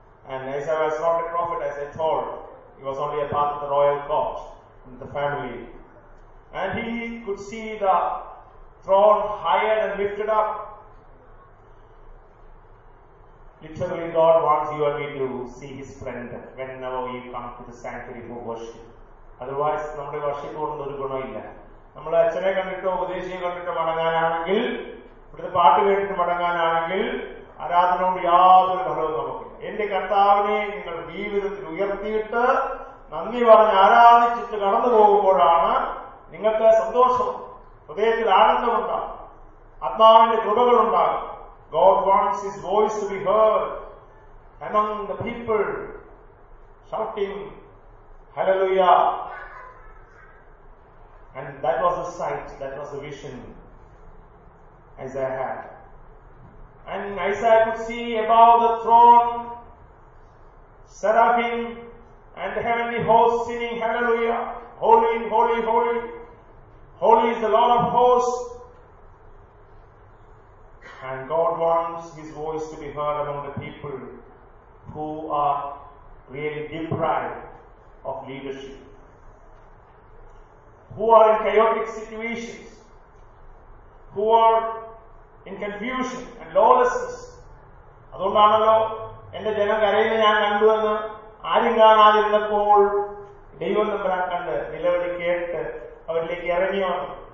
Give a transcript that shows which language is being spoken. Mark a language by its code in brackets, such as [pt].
[en] And Isaiah was not a prophet as I told. He was only a part of the royal court and the family. And he could see the throne higher and lifted up. Literally, God wants you and me to see His friend whenever we come to the sanctuary for worship. [ml] Otherwise, നമ്മുടെ worship കൊണ്ട് ഒരു ഗുണമില്ല. നമ്മൾ അച്ഛനെ കണ്ടിട്ടോ ഉപദേശിയെ കണ്ടിട്ടോ മടങ്ങാനാണെങ്കിൽ, ഇവിടുത്തെ പാട്ട് കേട്ടിട്ട് മടങ്ങാനാണെങ്കിൽ ആരാധന കൊണ്ട് യാതൊരു ഫലവും നമുക്ക്. എന്റെ കർത്താവിനെ നിങ്ങൾ ജീവിതത്തിൽ ഉയർത്തിയിട്ട് നന്ദി പറഞ്ഞ് ആരാധിച്ചിട്ട് കടന്നു പോകുമ്പോഴാണ് നിങ്ങൾക്ക് സന്തോഷം, ഹൃദയത്തിൽ ആനന്ദമുണ്ടാകും, ആത്മാവിന്റെ കൃപകൾ ഉണ്ടാകും. [en] God wants His voice to be heard among the people shouting hallelujah. And that was the sight, that was the vision Isaiah had. And Isaiah could see above the throne seraphim and heavenly hosts singing hallelujah. Holy, holy, holy. Holy is the Lord of hosts. And God wants His voice to be heard among the people who are really deprived of leadership, who are in chaotic situations, who are in confusion and lawlessness. [ml] അതുകൊണ്ടാണല്ലോ എന്റെ ജനം കരയിൽ ഞാൻ കണ്ടു എന്ന് ആരും കാണാതിരുന്നപ്പോൾ ദൈവം നമ്മളെ കണ്ട് നിലവിളി കേട്ട് അവരിലേക്ക് ഇറങ്ങി വന്നു.